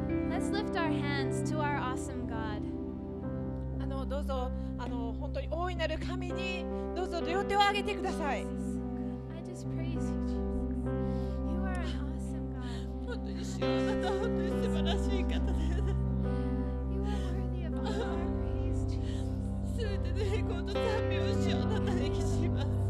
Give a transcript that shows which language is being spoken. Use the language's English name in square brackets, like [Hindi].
[English] Let's lift our hands to our awesome God. [Japanese] どうぞ本当に大いなる神にどうぞ両手を上げてください。 [English] I just praise you, Jesus. You are an awesome God. [Japanese] 本当に主よ、あなたは本当に素晴らしい方です。 [English] You are worthy of all our praise, Jesus. [Japanese] 全ての栄光と賛美を主よ、あなたに期します。